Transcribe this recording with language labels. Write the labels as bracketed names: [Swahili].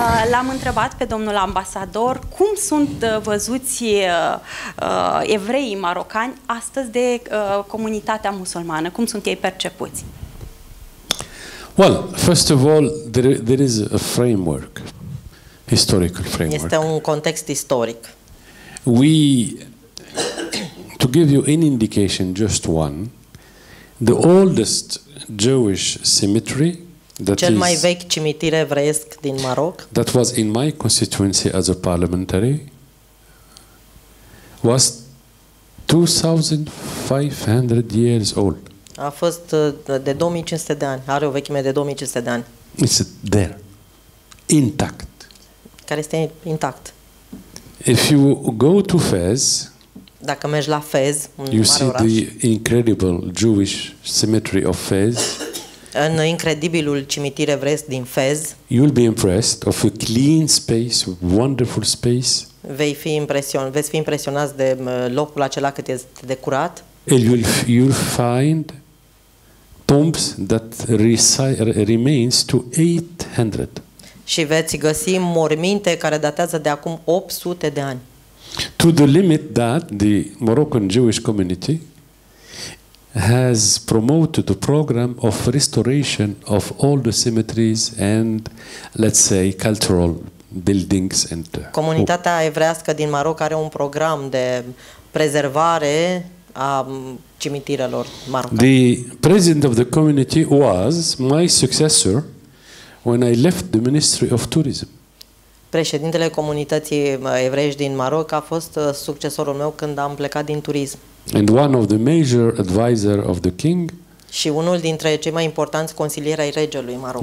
[Romanian] L-am întrebat pe domnul ambasador cum sunt văzuți evreii marocani astăzi de comunitatea musulmană, cum sunt ei percepuți? [English] Well, first of all, there is a framework, historical framework. [Romanian] Este un context istoric. [English] We, to give you an indication, just one, the oldest Jewish cemetery that [Romanian] cel mai vechi cimitir evreiesc din Maroc, [English] that was in my constituency as a parliamentary, was 2500 years old. [Romanian] A fost de 2500 de ani, are o vechime de 2500 de ani. [English] It's there intact. [Romanian] Care este intact. [English] If you go to Fez, [Romanian] dacă mergi la Fez, [English] you [Romanian] mare [English] see [Romanian] oraș, [English] the incredible Jewish cemetery of Fez. [Romanian] În incredibilul cimitir evreiesc din Fez. [English] You will be impressed of a clean space, wonderful space. [Romanian] Vei fi impresionat, veți fi impresionat de locul acela cât este de curat. [English] And you'll find tombs that remains to 800. [Romanian] Și veți găsi morminte care datează de acum 800 de ani. [English] To the limit that the Moroccan Jewish community has promoted the program of restoration of all the cemeteries and, let's say, cultural buildings and. [Romanian] Comunitatea evrească din Maroc are un program de prezervare a cimitirelor marocane. [English] The president of the community was my successor when I left the Ministry of Tourism. [Romanian] Președintele comunității evreiești din Maroc a fost succesorul meu când am plecat din turism. [English] And one of the major adviser of the king. [Romanian] Și unul dintre cei mai importanți consilieri ai regelui Maroc.